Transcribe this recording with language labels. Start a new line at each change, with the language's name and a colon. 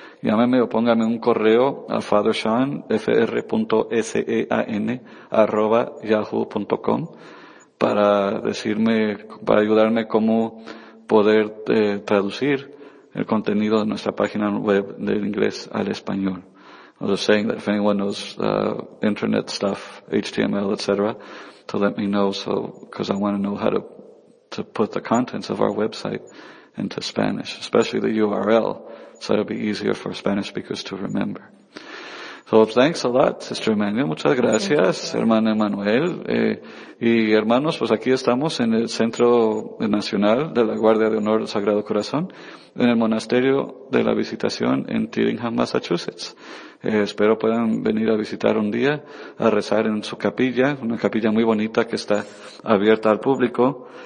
Spanish: Llámeme o póngame un correo a fathershan@yahoo.com para decirme, para ayudarme cómo poder traducir el contenido de nuestra página web del inglés al español.
English: I was saying that if anyone knows internet stuff, HTML, etc., to let me know, so because I want to know how to put the contents of our website into Spanish, especially the URL, so it'll be easier for Spanish speakers to remember. So thanks a lot, Sister Emmanuel.
Spanish: Muchas gracias, hermano Emmanuel. Y hermanos, pues aquí estamos en el Centro Nacional de la Guardia de Honor del Sagrado Corazón, en el Monasterio de la Visitación en Tillingham, Massachusetts. Espero puedan venir a visitar un día, a rezar en su capilla, una capilla muy bonita que está abierta al público.